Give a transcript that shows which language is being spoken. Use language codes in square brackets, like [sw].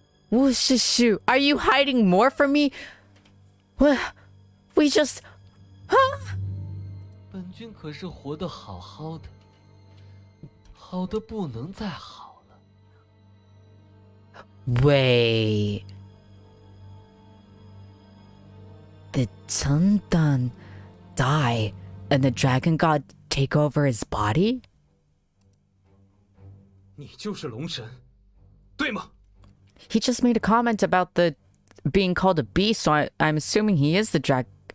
[en] Wu Shishu, are you hiding more from me? We just... Huh? [zh] 本君可是活得好好的，好得不能再好了。 [en] Wait... Did Chen Dan die and the Dragon God take over his body? [zh] 你就是龙神，对吗？ [en] He just made a comment about the being called a beast, so I'm assuming he is the dragon.